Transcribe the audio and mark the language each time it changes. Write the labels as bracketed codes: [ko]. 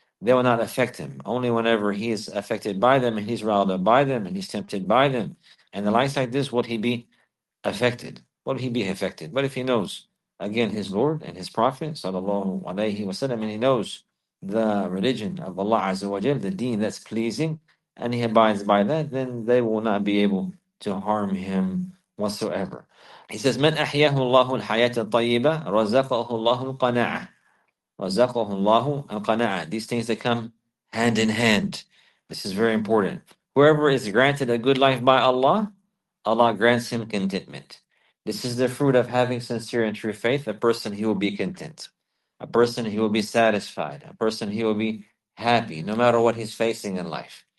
[en] They will not affect him. Only whenever he is affected by them, and he's riled up by them, and he's tempted by them, and the likes like this, will he be affected? Will he be affected? But if he knows again his Lord and his Prophet sallallahu alayhi wa sallam, and he knows the religion of Allah azza wa jal, the deen that's pleasing, and he abides by that, then they will not be able to harm him whatsoever. [ar] He says, من أحياه الله الحياة الطيبة رزقه الله القناعة. رزقه الله القناعة. [en] These things that come hand in hand. This is very important. Whoever is granted a good life by Allah, Allah grants him contentment. This is the fruit of having sincere and true faith. A person, he will be content. A person, he will be satisfied. A person, he will be happy, no matter what he's facing in life.